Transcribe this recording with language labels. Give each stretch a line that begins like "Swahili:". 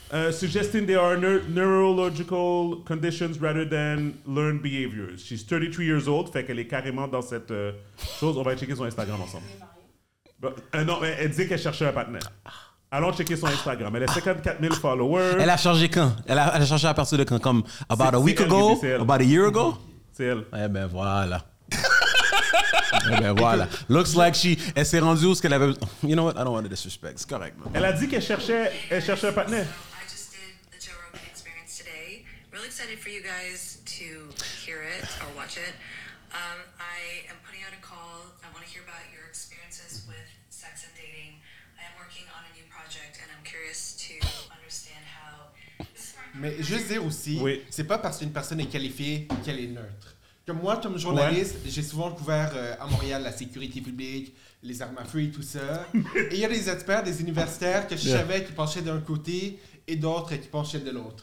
English: Suggesting there are neurological conditions rather than learned behaviors. She's 33 years old,
French: fait qu'elle est carrément dans cette chose. On va checker son Instagram ensemble. Elle dit qu'elle cherchait un partenaire. Allons checker son Instagram. Elle a 54 000 followers. Elle a changé quand? Elle a changé à partir de quand? Comme
English: about a week ago? About a year ago?
French: C'est elle. Eh ben voilà. Ben voilà.
English: Looks like
French: elle s'est rendue où ce qu'elle avait.
English: You know what? I don't want to disrespect.
French: C'est correct. Man. Elle a dit qu'elle cherchait. Elle cherchait un partenaire.
English: So I just did the Joe Rogan experience today. Really excited for you guys to hear it or watch it. I am putting out a call. I want to hear about your experiences with sex and dating. I am working on a new project and I'm curious to understand how.
French: Mais juste dire aussi, c'est pas parce qu'une personne est qualifiée qu'elle est neutre. Comme moi, comme journaliste, j'ai souvent couvert à Montréal la sécurité publique, les armes à feu et tout ça. Et il y a des experts, des universitaires que je savais qui penchaient d'un côté et d'autres qui penchaient de l'autre.